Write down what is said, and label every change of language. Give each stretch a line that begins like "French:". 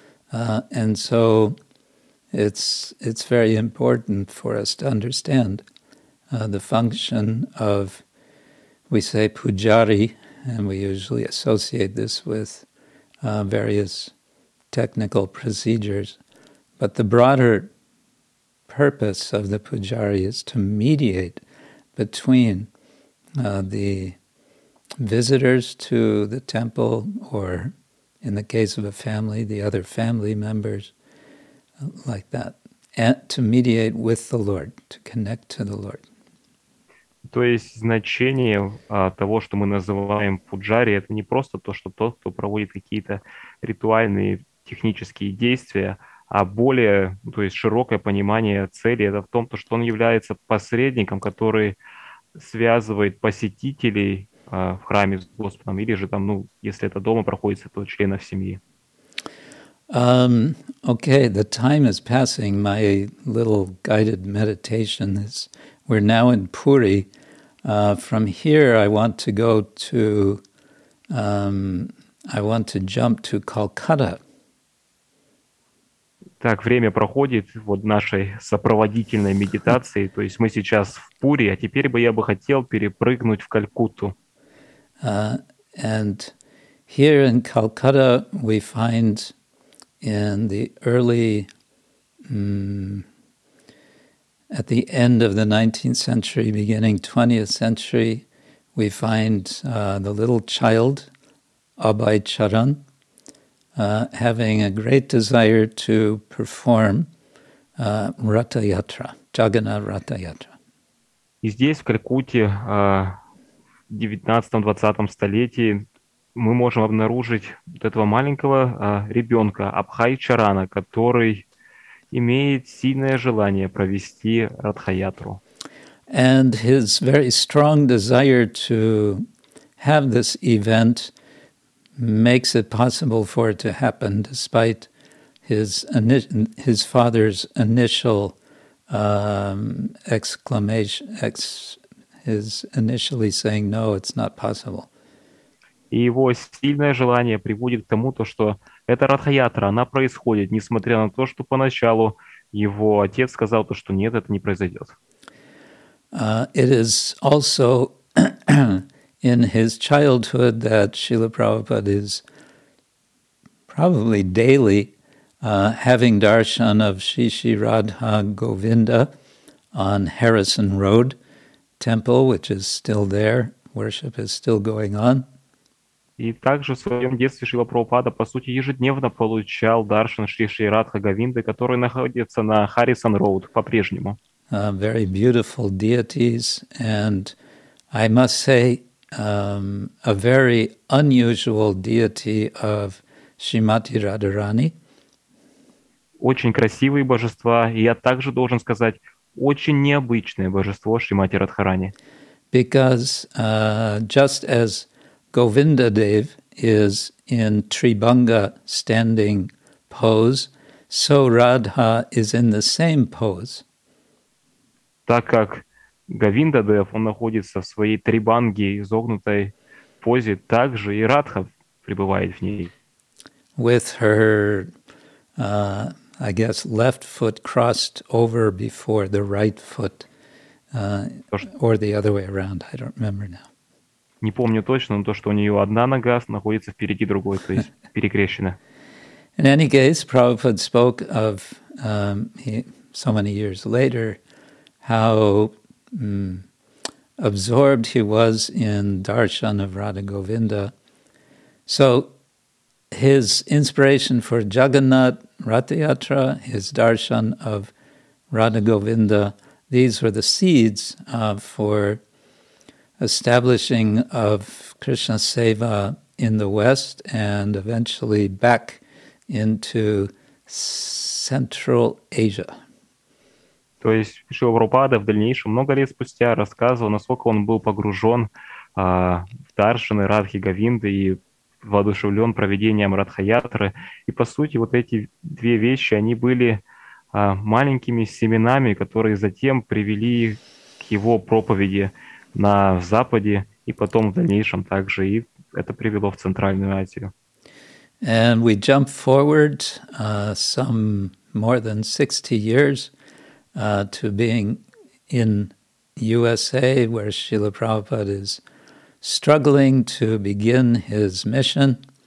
English: And so it's very important for us to understand the function of, we say, pujari, and we usually associate this with various technical procedures. But the broader purpose of the pujari is to mediate between the visitors to the temple, or in the case of a family, the other family members, like that, and to mediate with the Lord, to connect to the Lord.
Russian: То есть значение того, что мы называем пуджари, это не просто то, что тот, кто проводит какие-то ритуальные технические действия, а более, то есть широкое понимание цели, это в том, что он является посредником, который связывает посетителей в храме с Господом, или же там, ну, если это дома проходится, то членов семьи.
English: Okay, the time is passing. My little guided meditation is... We're now in Puri. From here, I want to go to... I want to jump to Calcutta.
Russian: Так, время проходит вот нашей сопроводительной медитации. То есть мы сейчас в Пури, а теперь бы я бы хотел перепрыгнуть в Калькутту.
English: And here in Calcutta we find in the early, at the end of the 19th century, beginning 20th century, we find the little child, Abhay Charan, having a great desire to perform Ratha Yatra, Jagannath Ratha Yatra.
Russian: И здесь, в Калькутте, в 19-20 столетии, мы можем обнаружить вот этого маленького ребенка, Абхай Чарана, который имеет сильное желание провести Радха-Ятру.
English: And his very strong desire to have this event makes it possible for it to happen despite his father's initial initially saying, no, it's not possible.
Russian: И его сильное желание приводит к тому, то, что эта Радха-Ятра, она происходит, несмотря на то, что поначалу его отец сказал, то, что нет, это не произойдет.
English: It is also in his childhood that Srila Prabhupada is probably daily having darshan of Shishi Radha Govinda on Harrison Road Temple, which is still there, worship is still going on.
Russian: И также в своем детстве Шрила Прабхупада, по сути, ежедневно получал даршан Шриши Радха Говинды, который находится на Харрисон Роуд по-прежнему.
English: Very beautiful deities, and I must say, a very unusual deity of Shrimati Radharani.
Russian: Очень красивые божества, и я также должен сказать, очень необычное божество Шримати Радхарани.
English: Because just as Govinda Dev is in Tribhanga standing pose, so Radha is in the same pose.
Russian: Так как Govinda Dev, он находится в своей Трибанге, изогнутой позе, так же и Радха пребывает в ней.
English: With her, I guess, left foot crossed over before the right foot, or the other way around, I don't remember now.
Russian: Не помню точно, но то, что у нее одна нога находится впереди другой, то есть перекрещена.
English: In any case, Prabhupada spoke of so many years later how absorbed he was in darshan of Radha Govinda. So his inspiration for Jagannath Rath Yatra, his darshan of Radha Govinda, these were the seeds for establishing of Krishna Seva in the West and eventually back into Central Asia.
Russian: То есть Шрила Прабхупада в дальнейшем, много лет спустя, рассказывал, насколько он был погружен в даршины Радхи Говинды и воодушевлен проведением Радха-ятры. И, по сути, вот эти две вещи, они были маленькими семенами, которые затем привели к его проповеди на Западе и потом в дальнейшем также, и это привело в Центральную Азию.
English: And we jump forward some more than 60 years to being in USA, where Srila Prabhupada is struggling to begin his mission.